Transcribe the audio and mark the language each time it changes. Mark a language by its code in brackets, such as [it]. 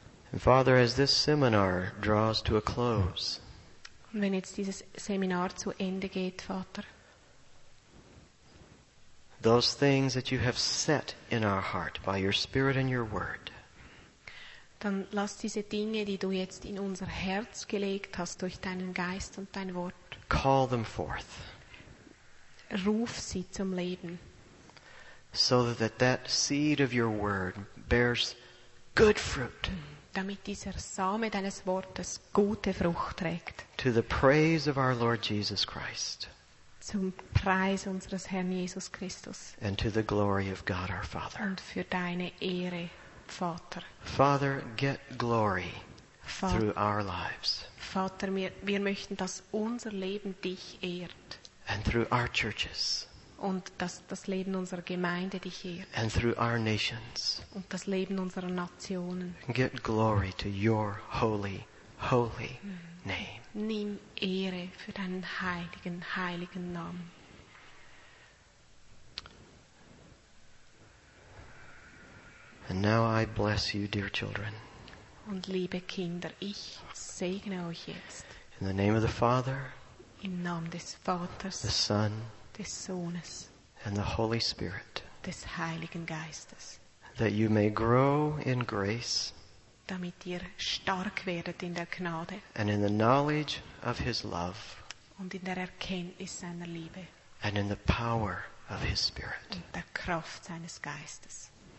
[en] And Father, as this seminar draws to a close. [de] Und wenn jetzt dieses Seminar zu Ende geht, Vater. [en] Those things that you have set in our heart by your Spirit and your Word. [de] Dann lass diese Dinge, die du jetzt in unser Herz gelegt hast durch deinen Geist und dein Wort. [en] Call them forth. [de] Ruf sie zum Leben. [en] So that that seed of your Word bears good fruit. [de] Damit dieser Same deines Wortes gute Frucht trägt. [en] To the praise of our Lord Jesus Christ. [de] Zum Preis unseres Herrn Jesus Christus. [en] And to the glory of God our Father. [de] Und für deine Ehre, Vater. [en] Father, get glory through our lives. [de] Vater, wir möchten, dass unser Leben dich ehrt. [en] And through our churches. [de] Und dass das Leben unserer Gemeinde dich ehrt. [en] And through our nations. [de] Und das Leben unserer Nationen. [en] Get glory to your holy, holy name. [de] Nimm Ehre für deinen heiligen, heiligen Namen. [en] And now I bless you, dear children. [de] Und liebe Kinder, ich segne euch jetzt. [en] In the name of the Father. [de] Im Namen des Vaters. [en] The Son. [de] Des Sohnes. [en] And the Holy Spirit. [de] Des Heiligen Geistes. [en] That you may grow in grace. [de] Damit ihr stark werdet in der Gnade. [en] And in the knowledge of his love. [de] Und in der Erkenntnis seiner Liebe. [en] And in the power of his Spirit. [de] Und der Kraft seines Geistes.